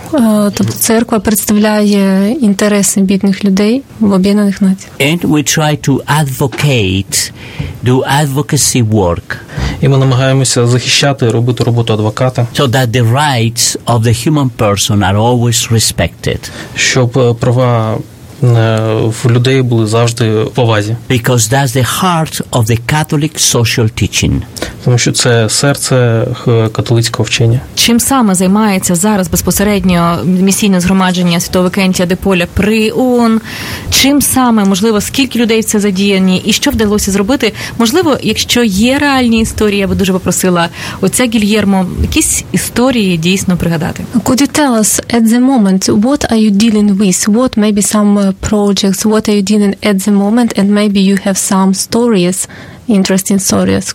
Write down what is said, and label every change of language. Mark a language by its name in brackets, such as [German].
[Ukrainian] Тобто церква представляє інтереси бідних людей в Об'єднаних Націях. [English] And we try to advocate, do advocacy work. [Ukrainian] І ми намагаємося захищати, робити роботу адвоката. [English] So that the rights of the human person are always respected. [Ukrainian] Щоб права в людей були завжди в повазі. [English] Because that's the heart of the Catholic social teaching. [Ukrainian] Тому що це серце католицького вчення. Чим саме займається зараз безпосередньо місійне згромадження Святого Викентія де Поля при ООН? Чим саме, можливо, скільки людей в це задіяні? І що вдалося зробити? Можливо, якщо є реальні історії, я би дуже попросила отця Гільєрмо якісь історії дійсно пригадати. [English] Could you tell us at the moment what are you dealing with? What maybe some projects, what are you dealing at the moment and maybe you have some stories, interesting stories.